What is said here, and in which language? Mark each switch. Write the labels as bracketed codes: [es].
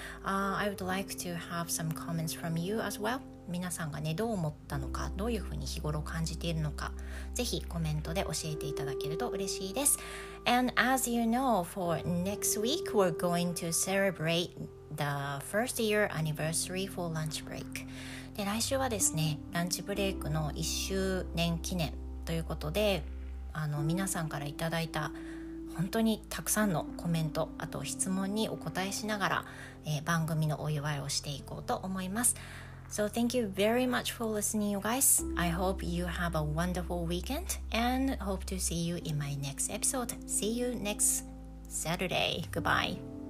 [en] I would like to have some comments from you as well. [ja] 皆さんがねどう思ったのか、どういうふうに日頃感じているのか、ぜひコメントで教えていただけると嬉しいです。 [en] And as you know, for next week we're going to celebrate the first year anniversary for lunch break. [ja] で、来週はですね、ランチブレイクの1周年記念ということで、あの皆さんからいただいた本当にたくさんのコメント、あと質問にお答えしながら、番組のお祝いをしていこうと思います。 [en] So thank you very much for listening, you guys. I hope you have a wonderful weekend and hope to see you in my next episode. See you next Saturday. Goodbye.